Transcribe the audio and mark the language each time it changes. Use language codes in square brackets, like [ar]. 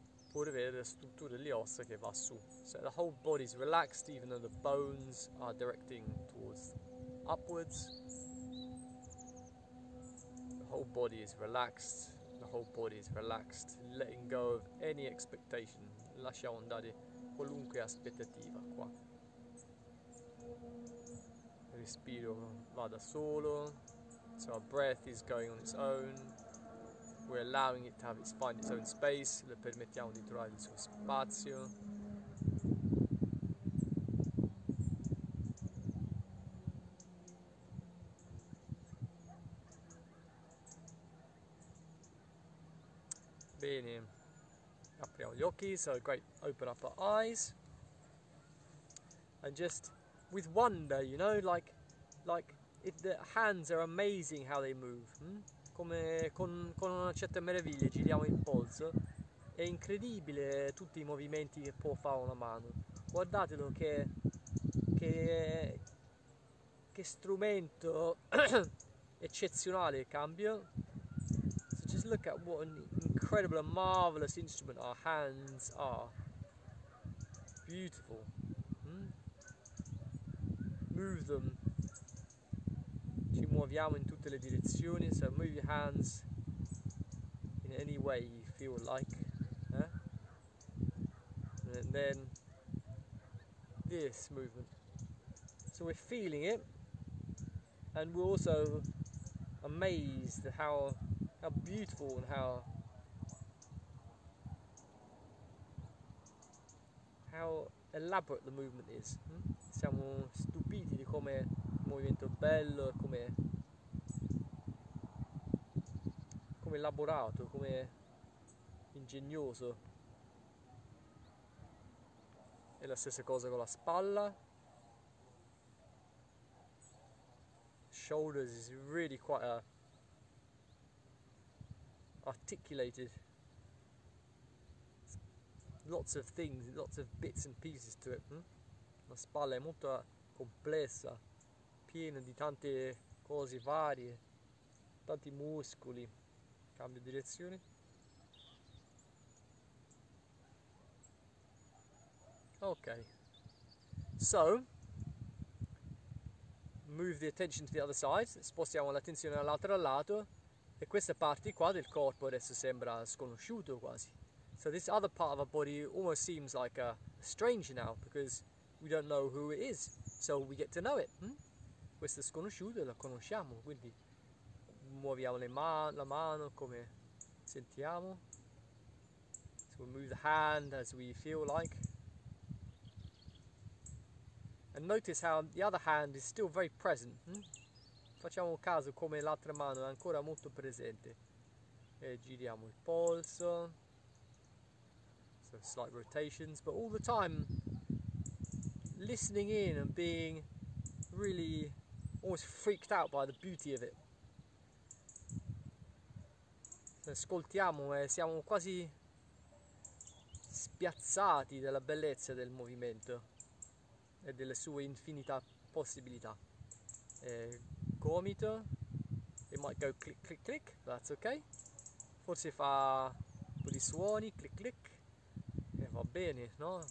[it] Puoi vedere la struttura degli ossa che va su. [en] So the whole body is relaxed even though the bones are directing towards upwards. The whole body is relaxed. The whole body is relaxed, letting go of any expectation. [it] Lasciamo andare qualunque aspettativa qua. Respiro va da solo. [en] So our breath is going on its own. We're allowing it to have its find its own space. [it] Le permettiamo di trovare il suo spazio. Bene. Apriamo gli occhi. [en] So great. Open up our eyes. And just with wonder, you know, like if the hands are amazing how they move. [it] Come con una certa meraviglia giriamo il polso. È incredibile tutti i movimenti che può fare una mano. Guardatelo che strumento eccezionale il cambio. [en] So just look at what an incredible and marvelous instrument our hands are. Beautiful. Move them. [it] Ci muoviamo in tutte le direzioni, [en] so move your hands in any way you feel like. Eh? And then this movement. So we're feeling it and we're also amazed at how beautiful and how elaborate the movement is. [it] Siamo stupiti di come movimento bello, come elaborato, come ingegnoso. È la stessa cosa con la spalla. [en] Shoulders is really quite articulated. Lots of things, lots of bits and pieces to it. [it] La spalla è molto complessa, piena di tante cose varie, tanti muscoli. Cambio direzione. Ok. [en] So, move the attention to the other side. [it] Spostiamo l'attenzione all'altro lato. E questa parte qua del corpo adesso sembra sconosciuto quasi. [en] So this other part of our body almost seems like a stranger now because we don't know who it is. So we get to know it. [it] Questo sconosciuto lo conosciamo, quindi muoviamo la mano come sentiamo. [en] So we move the hand as we feel like. And notice how the other hand is still very present. [it] Facciamo caso come l'altra mano è ancora molto presente. E giriamo il polso. [en] So slight rotations, but all the time listening in and being really almost freaked out by the beauty of it. [it] Ascoltiamo e siamo quasi spiazzati dalla bellezza del movimento e delle sue infinite possibilità. [en] Gomito, it might go click click click, that's okay. [it] Forse fa un po' di suoni, click click, e va bene, no?